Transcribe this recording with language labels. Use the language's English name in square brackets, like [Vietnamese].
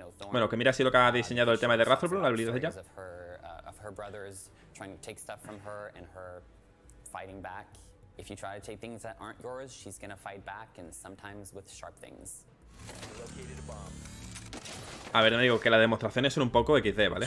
[Spanish] Bueno, que mira si lo que ha diseñado el tema de Razorbloom, la habilidad de ella. [English] Trying to take stuff from her and her fighting back. If you try to take things that aren't yours, she's gonna fight back and sometimes with sharp things. [Spanish] A ver, no digo que las demostraciones son un poco XD, ¿vale?